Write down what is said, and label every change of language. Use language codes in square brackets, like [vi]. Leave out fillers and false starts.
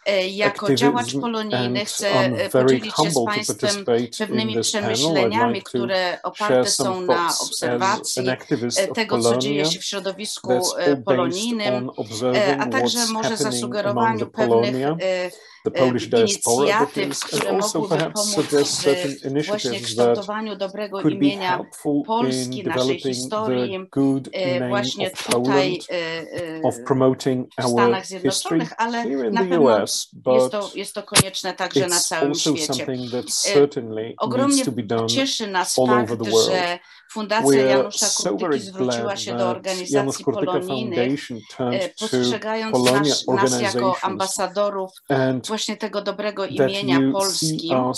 [pl] Jako działacz polonijny chcę podzielić się z Państwem pewnymi przemyśleniami, które oparte są na obserwacji tego, co dzieje się w środowisku polonijnym, a także może zasugerowaniu pewnych [en] the Polish diaspora Organisations, and also perhaps suggest certain initiatives that could be helpful in developing the good name of Poland, of promoting our history here in the US, but it's also something that certainly needs to be done all over the world. [pl] Fundacja Janusza Kurtyki zwróciła się do organizacji polonijnych, postrzegając nas jako ambasadorów właśnie tego dobrego imienia Polski,